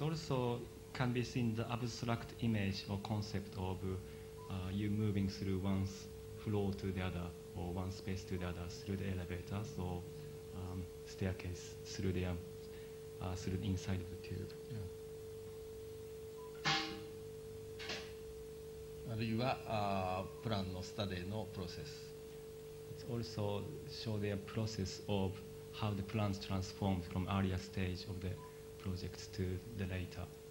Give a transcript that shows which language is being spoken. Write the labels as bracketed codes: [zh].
[en] This also can be seen the abstract image or concept of you moving through one floor to the other or one space to the other through the elevators or staircase through the through the inside of the tube. [ja] あるいはプランのスタデーのプロセス。 [en] It's also show the process of how the plans transformed from earlier stage of the project to the later.